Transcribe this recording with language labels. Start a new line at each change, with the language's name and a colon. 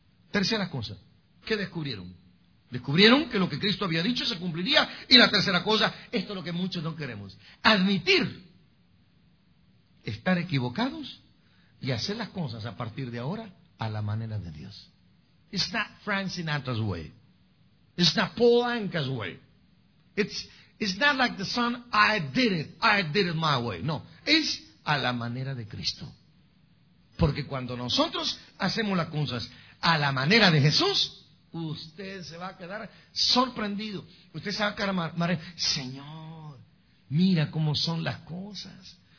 Spanish: Tercera cosa, ¿qué descubrieron? Descubrieron que lo que Cristo había dicho se cumpliría. Y la tercera cosa, esto es lo que muchos no queremos, admitir estar equivocados y hacer las cosas a partir de ahora a la manera de Dios.
English: It's not Frank Sinatra's way. It's not Paul Anka's way. It's not like the song, I did it my way.
Spanish: No, es a la manera de Cristo. Porque cuando nosotros hacemos las cosas a la manera de Jesús, usted se va a quedar sorprendido. Usted se va a quedar, Señor, mira cómo son las cosas.